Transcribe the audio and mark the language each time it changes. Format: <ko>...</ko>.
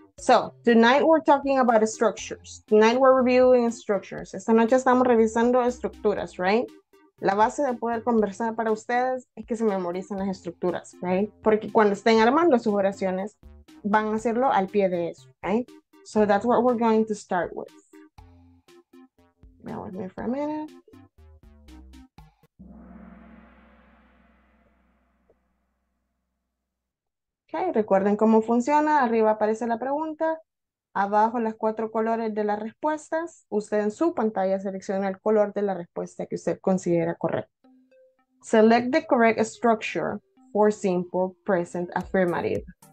<en>So, tonight we're talking about structures. Tonight we're reviewing structures.</en> <es>Esta noche estamos revisando estructuras, right? La base de poder conversar para ustedes es que se memoricen las estructuras, right? Porque cuando estén armando sus oraciones, van a hacerlo al pie de eso, right?</es> <en>So that's what we're going to start with. Bear with me for a minute.</en> <es>Okay, recuerden cómo funciona. Arriba aparece la pregunta. Abajo las 4 colores de las respuestas. Usted en su pantalla selecciona el color de la respuesta que usted considera correcto.</es> <en>Select the correct structure for simple present affirmative.</en>